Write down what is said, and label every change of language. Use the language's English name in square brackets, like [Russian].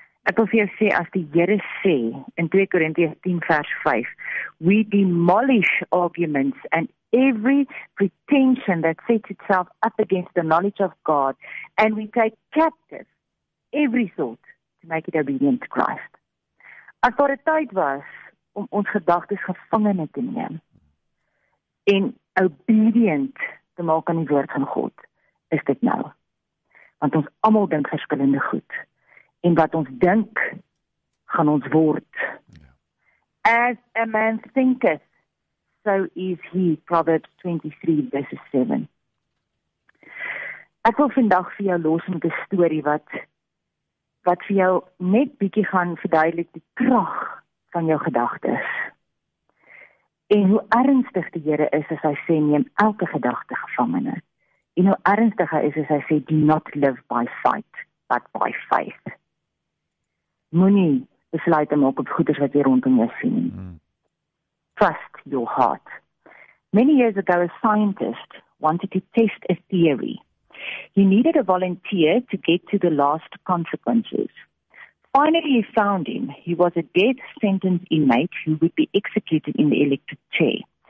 [Afrikaans] Ek wil vir jou sê, as die Here sê, in 2 Korintiërs 10 vers 5, [English] we demolish arguments and every pretension that sets itself up against the knowledge of God, and we take captive every thought to make it obedient to Christ. [Afrikaans] As daar 'n tyd was om ons gedagtes gevangene te neem, en obedient te maak aan die woord van God, is dit nou. Want ons allemaal dink verskillende goed. En wat ons dink, gaan ons word. [English] As a man thinketh, so is he. Proverbs 23, verse 7. [Afrikaans] Ek wil vandag vir jou los met 'n storie wat vir jou net bietjie gaan verduidelik die krag van jou gedagtes. En hoe ernstig die Here is as hy sê, neem elke gedagte gevangene. En hoe ernstig hy is as hy sê, [English] do not live by sight, but by faith. [Afrikaans] Moenie besluit te maak op goeders wat jy rondom jou sien. [English] Trust your heart. Many years ago, a scientist wanted to test a theory. He needed a volunteer to get to the last consequences. Finally, he found him. He was a death sentence inmate who would be executed in the electric chair.